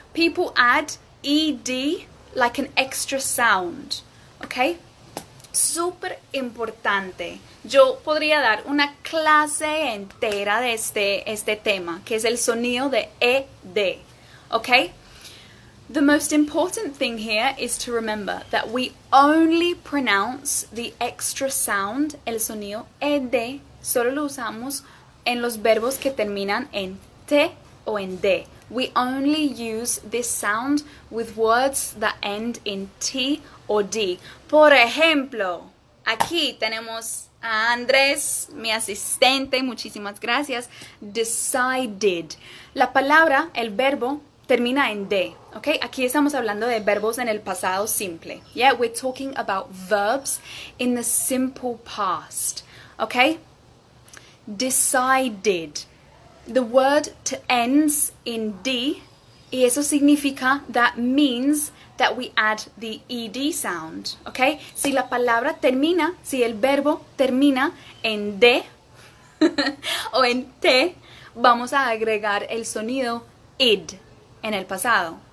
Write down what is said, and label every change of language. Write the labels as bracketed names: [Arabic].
[English] People add ED like an extra sound, okay? [Spanish] Super importante. Yo podría dar una clase entera de este tema, que es el sonido de ED, okay? [English] The most important thing here is to remember that we only pronounce the extra sound, [Spanish] el sonido ED, solo lo usamos en los verbos que terminan en T o en D. [English] We only use this sound with words that end in T or D. [Spanish] Por ejemplo, aquí tenemos a Andrés, mi asistente, muchísimas gracias, decided. La palabra, el verbo, termina en D, okay? Aquí estamos hablando de verbos en el pasado simple. [English] Yeah, we're talking about verbs in the simple past, okay? Decided. The word to ends in D, [Spanish] y eso significa, [English] that means that we add the ED sound, okay? [Spanish] Si la palabra termina, si el verbo termina en D o en T, vamos a agregar el sonido ID en el pasado.